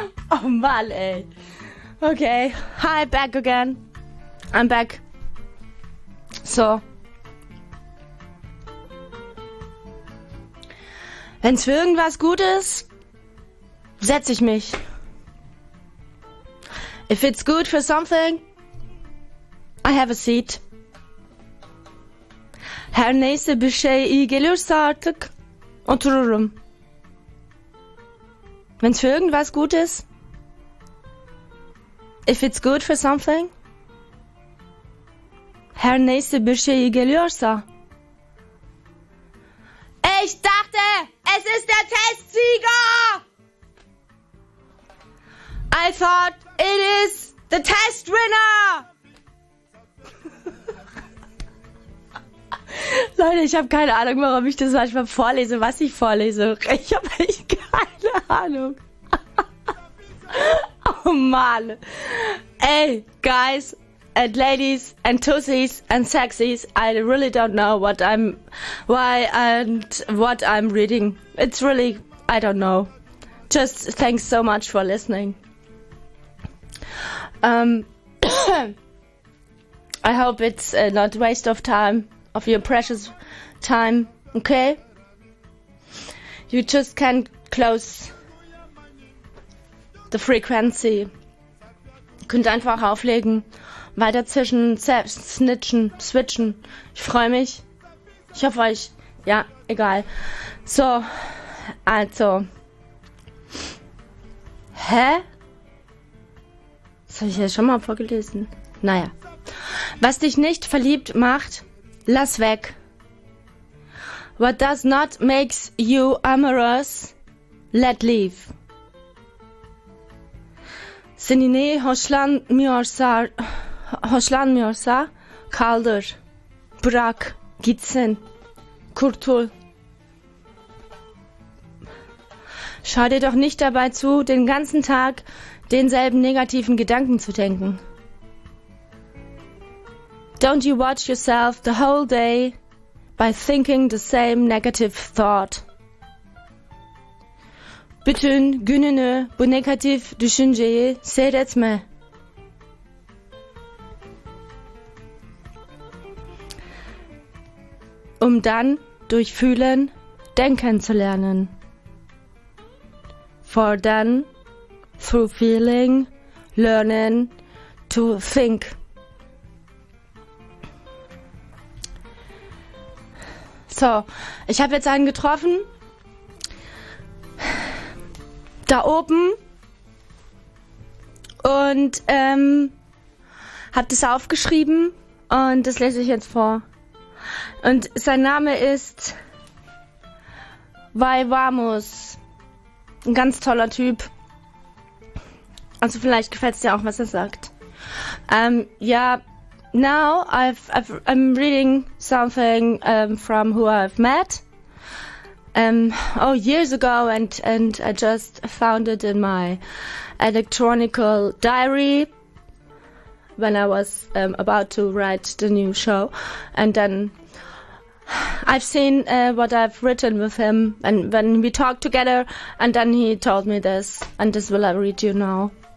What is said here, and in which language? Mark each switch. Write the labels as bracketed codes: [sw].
[de] Oh Mann, ey. [en] Okay. Hi, back again. I'm back. So. [de] Wenn's für irgendwas gut ist, setz ich mich. [en] If it's good for something, I have a seat. [tr] Her neyse bir şey iyi gelirse artık, otururum. [de] Wenn's für irgendwas gut ist, [en] if it's good for something, [tr] her neyse bir şey geliyorsa. [de] Ich dachte, es ist der Testsieger. [en] I thought it is the test winner. [de] Leute, ich habe keine Ahnung, warum ich das manchmal vorlese, was ich vorlese. Ich habe echt keine Ahnung. Oh Mann. Ey, guys. [en] And ladies and tussies and sexies, I really don't know what I'm reading. It's really, I don't know. Just thanks so much for listening. I hope it's not a waste of time, of your precious time, okay? You just can't close the frequency. [de] Könnt einfach auflegen. Weiter zischen, snitchen, switchen. Ich freue mich. Ich hoffe euch. Ja, egal. So, also. Hä? Das habe ich ja schon mal vorgelesen. Naja. Was dich nicht verliebt macht, lass weg. [en] What does not makes you amorous, let leave. [tr] Seni ne hoşlanmıyorsa... Hoşlanmıyorsa kaldır, bırak, gitsin, kurtul. [de] Schau dir doch nicht dabei zu, den ganzen Tag denselben negativen Gedanken zu denken. [en] Don't you watch yourself the whole day by thinking the same negative thought. [tr] Bütün gününü bu negatif düşünceyi seyretme. [de] um dann durch Fühlen denken zu lernen. [en] For then, through feeling, learning to think. [de] So, ich habe jetzt einen getroffen. Da oben. Und hab das aufgeschrieben und das lese ich jetzt vor. Und sein Name ist Vaivamos. Ein ganz toller Typ. Also vielleicht gefällt es dir auch, was er sagt. [en] Now I'm reading something from who I've met. Years ago, and I just found it in my electronical diary when I was about to write the new show, and then I've seen what I've written with him, and when we talked together, and then he told me this, and this will I read you now.